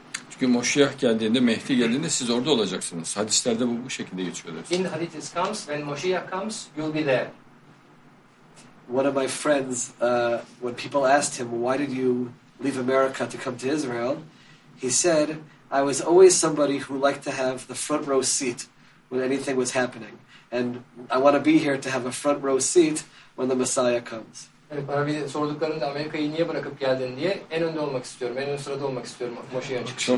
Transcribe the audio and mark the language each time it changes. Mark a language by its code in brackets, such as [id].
[tr] Çünkü Moşiyah geldiğinde, Mehdi geldiğinde siz orada olacaksınız. Hadislerde bu şekilde geçiyor. [en] In the hadiths comes, when Moshiach comes, you'll be there. One of my friends, when people asked him, why did you leave America to come to Israel? He said, I was always somebody who liked to have the front row seat when anything was happening. And I want to be here to have a front row seat when the Messiah comes. [tr] Bana bir sorduklarında Amerika'yı niye bırakıp geldin diye, en önde olmak istiyorum, en ön sırada olmak istiyorum Moşiyah'ın çıkışında.